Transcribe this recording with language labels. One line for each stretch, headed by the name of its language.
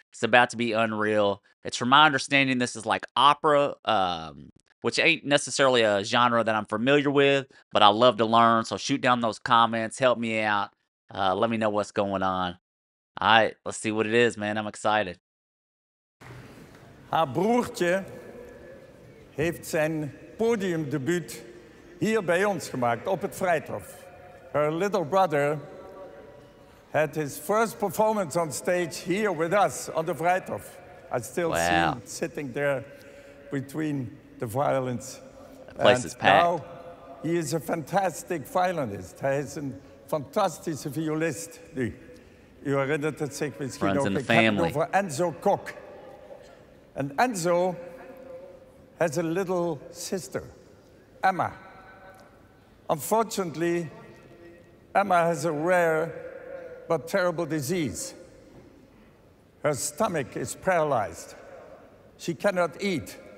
English: It's about to be unreal. It's from my understanding, this is like opera, which ain't necessarily a genre that I'm familiar with, but I love to learn. So shoot down those comments. Help me out. Let me know what's going on. All right, let's see what it is, man. I'm excited.
Dutch: Haar broertje heeft zijn podiumdebuut hier bij ons gemaakt, op het Vrijthof.
English: Her little brother had his first performance on stage here with us on the Vrijthof. I still wow. See him sitting there between the violins. The place and is packed. Now he is a fantastic violinist.
Dutch: Hij is een fantastische violist nu. U herinnert het zich misschien
English: Runs
Dutch: ook.
English: In the family.
Dutch: Over Enzo Kok.
English: And Enzo has a little sister, Emma. Unfortunately, Emma has a rare but terrible disease. Her stomach is paralyzed. She cannot eat.